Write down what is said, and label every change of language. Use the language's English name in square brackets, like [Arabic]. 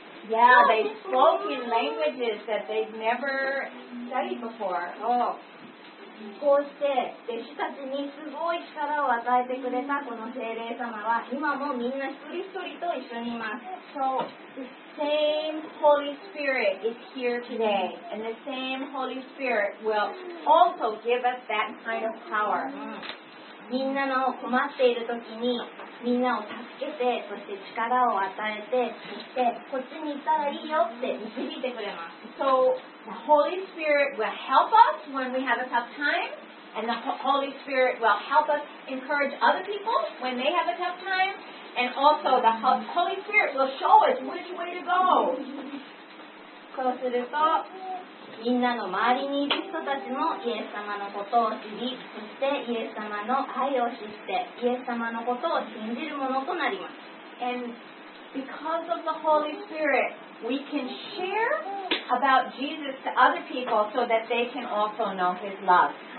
[English] Yeah, they spoke in languages that they've never studied before. [Japanese] こうして弟子たちにすごい力を与えてくれたこの聖霊様は今もみんな一人一人と一緒にいます。 [English] So, the same Holy Spirit is here today, and the same Holy Spirit will also give us that kind of power. [Japanese] みんなの困っている時にみんなを助けて、そして力を与えて、そしてこっちに行ったらいいよって導いてくれます。 [English] So,The Holy Spirit will help us when we have a tough time, and the Holy Spirit will help us encourage other people when they have a tough time, and also the Holy Spirit will show us which way to go. [Japanese] こうすると、みんなの周りにいる人たちもイエス様のことを知り、そしてイエス様の愛を知って、イエス様のことを信じるものとなります。 [English] And because of the Holy Spirit,We can share about Jesus to other people so that they can also know His love.